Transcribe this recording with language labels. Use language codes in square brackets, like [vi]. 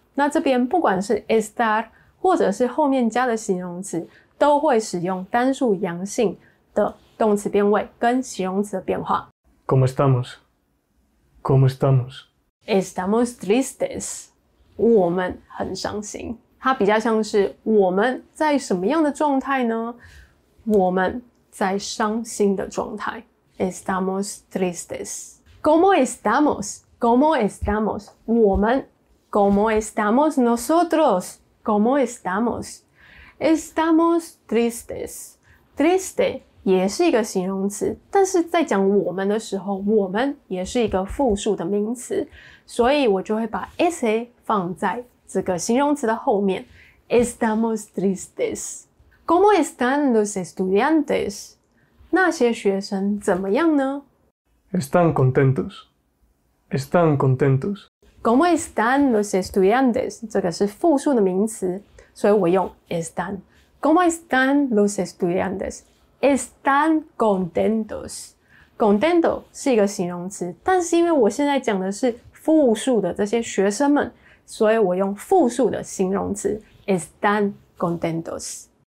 [zh] 那这边不管是 estar 或者是后面加的形容词，都会使用单数阳性的动词变位跟形容词的变化。 [es] ¿Cómo estamos? ¿Cómo estamos? Estamos tristes. [zh] 我们很伤心。它比较像是我们在什么样的状态呢？我们在伤心的状态。 [es] Estamos tristes. ¿Cómo estamos? ¿Cómo estamos? [zh] 我们 [es] ¿Cómo estamos nosotros? ¿Cómo estamos? Estamos tristes. [zh] Triste 也是一个形容词，但是在讲我们的时候，我们也是一个复数的名词，所以我就会把 ese 放在这个形容词的后面。 [es] Estamos tristes. ¿Cómo están los estudiantes? [zh] 那些学生怎么样呢？ [es] Están contentos. Están contentos. ¿Cómo están los estudiantes? [zh] 这个是复数的名词，所以我用 están. [es] ¿Cómo están los estudiantes? Están contentos. [zh] Contento 是一个形容词，但是因为我现在讲的是复数的这些学生们，所以我用复数的形容词 [es] Están contentos.